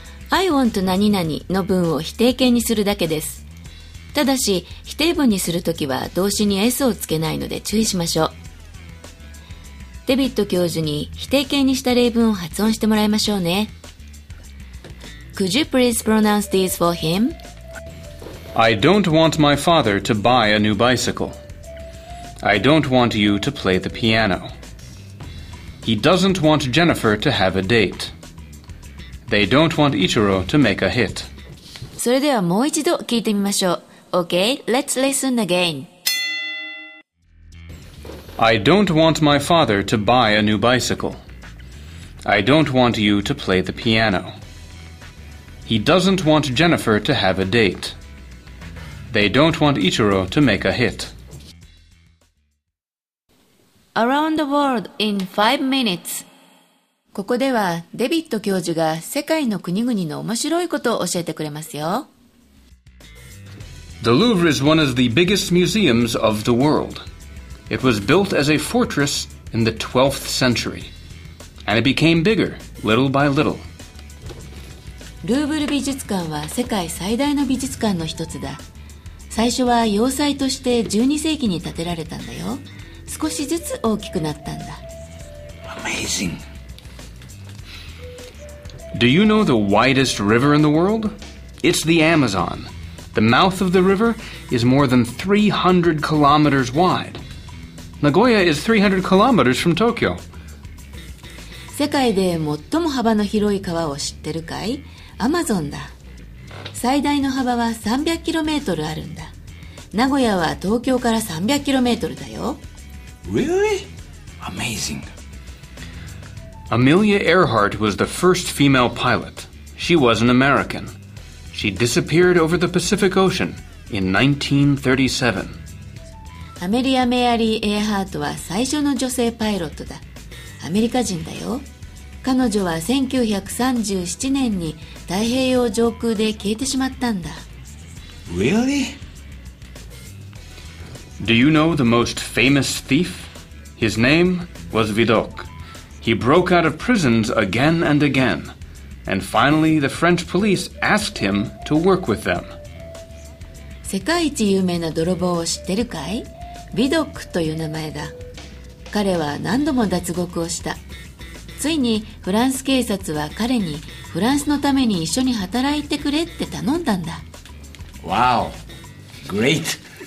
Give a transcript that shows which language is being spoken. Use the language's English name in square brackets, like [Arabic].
[English] I want [Japanese] 何々の文を否定形にするだけです。ただし、否定文にするときは動詞に S をつけないので注意しましょう。デビッド教授に否定形にした例文を発音してもらいましょうね。 [English] Could you please pronounce these for him? I don't want my father to buy a new bicycle. I don't want you to play the piano. He doesn't want Jennifer to have a date. They don't want Ichiro to make a hit. [Japanese] それではもう一度聞いてみましょう。 [English] Okay, let's listen again. I don't want my father to buy a new bicycle. I don't want you to play the piano. He doesn't want Jennifer to have a date. They don't want Ichiro to make a hit. Around the world in 5 minutes. [Japanese] ここではデビッド教授が世界の国々の面白いことを教えてくれますよ。 [English] The Louvre is one of the biggest museums of the world. It was built as a fortress in the 12th century, and it became bigger, little by little. [Japanese] ルーブル美術館は世界最大の美術館の一つだ。最初は要塞として12世紀に建てられたんだよ。少しずつ大きくなったんだ。 [English] Amazing! Do you know the widest river in the world? It's the Amazon. The mouth of the river is more than 300 kilometers wide. Nagoya is 300 kilometers from Tokyo. [Japanese] 世界で最も幅の広い川を知ってるかい?アマゾンだ。最大の幅は300キロメートルあるんだ。名古屋は東京から300キロメートルだよ。 [English] Really? Amazing. Amelia Earhart was the first female pilot. She was an American. She disappeared over the Pacific Ocean in 1937. [Japanese] アメリア・メアリー・エアハートは最初の女性パイロットだ。アメリカ人だよ。彼女は1937年に太平洋上空で消えてしまったんだ。 [English] Really? Do you know the most famous thief? His name was Vidocq. He broke out of prisons again and again. And finally, the French police asked him to work with them. [Japanese] 世界一有名な泥棒を知ってるかい?Vidocq という名前だ。彼は何度も脱獄をした。ついにフランス警察は彼にフランスのために一緒に働いてくれって頼んだんだ。 [English] Wow! Great!